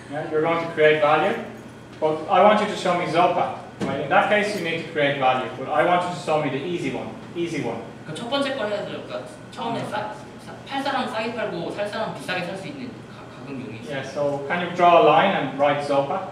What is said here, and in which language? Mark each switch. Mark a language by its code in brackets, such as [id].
[en] You're going to create value? But I want you to show me Zopa. Right? In that case, you need to create value. But I want you to show me the easy one. Easy one. [ko] 그 첫 번째 거 해야 될까? 처음에 팔 사람 싸게 팔고 살 사람 비싸게 살 수 있는 가격용이. [en] Yeah. So can you draw a line and write Zopa?